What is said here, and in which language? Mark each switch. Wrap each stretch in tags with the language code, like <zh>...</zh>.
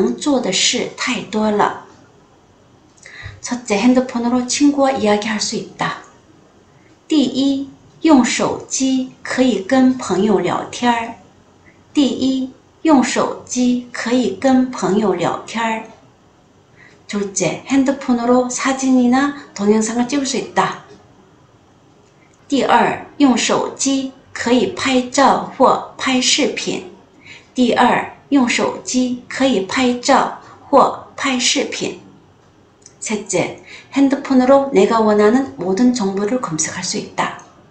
<zh>因为用手机能做的事太多了。因为用手机能做的事太多了。</zh> <ko>첫째, 핸드폰으로 친구와 이야기할 수 있다.</ko> <zh>第一，用手机可以跟朋友聊天。第一，用手机可以跟朋友聊天。</zh> <ko>둘째, 핸드폰으로 사진이나 동영상을 찍을 수 있다.</ko> <zh>第二，用手机可以拍照或拍视频。第二，用手机可以拍照或拍视频。</zh> <ko>셋째, 핸드폰으로 내가 원하는 모든 정보를 검색할 수 있다.</ko>